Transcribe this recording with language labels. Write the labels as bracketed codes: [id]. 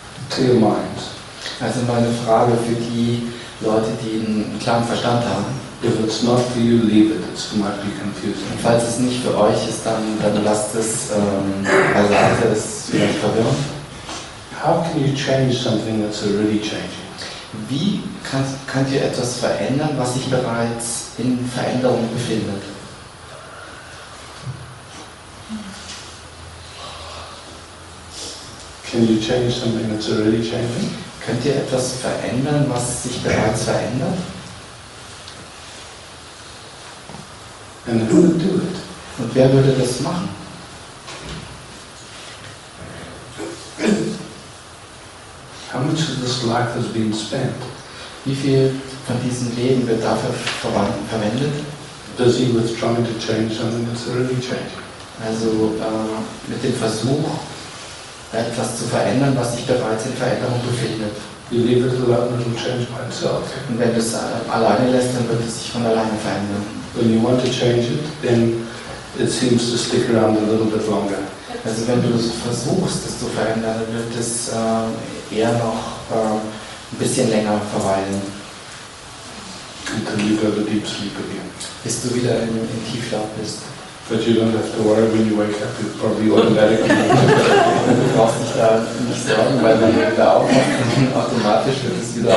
[en] Clear minds. [de] Also meine Frage für die Leute, die einen klaren Verstand haben. [en] If it's not for you, leave it. It might be confusing. [de] Und falls es nicht für euch ist, dann lasst es beiseite. Es ist vielleicht verwirrend. [en] How can you change something that's already changing? [de] Wie könnt ihr etwas verändern, was sich bereits in Veränderung befindet? [en] Can you change something that's already changing? [de] Könnt ihr etwas verändern, was sich bereits verändert? [en] And who would do it? [de] Und wer würde das machen? [en] How much of this life has been spent? [de] Wie viel von diesem Leben wird dafür verwendet? [en] Busy with trying to change something that's already changing. [de] Also mit dem Versuch, etwas zu verändern, was sich bereits in Veränderung befindet. [en] You leave it alone, it will change by itself. [de] Und wenn du es alleine lässt, dann wird es sich von alleine verändern. [en] When you want to change it, then it seems to stick around a little bit longer. [de] Also wenn du versuchst, es zu verändern, dann wird es eher noch ein bisschen länger verweilen. [en] And then you go to deep sleep again. [de] Bis du wieder in Tiefschlaf bist. [en] But you don't have to worry when you wake up, it's probably automatically. [de] Du brauchst dich da nicht sorgen, weil wenn du da aufmachst, dann automatisch wird es wieder